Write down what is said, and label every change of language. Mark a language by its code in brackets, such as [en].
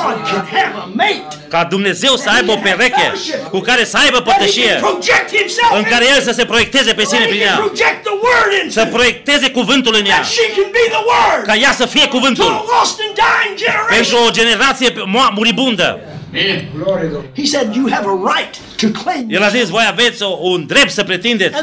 [en] God can have a mate. [ro] Ca Dumnezeu să aibă o pereche cu care să aibă părtășie. În care el să se proiecteze pe sine prin ea. Să proiecteze cuvântul în ea. Ca ea să fie cuvântul. Pentru o generație muribundă. [en] He said you have a right to claim. [ro] El a zis voi aveți un drept să pretindeți.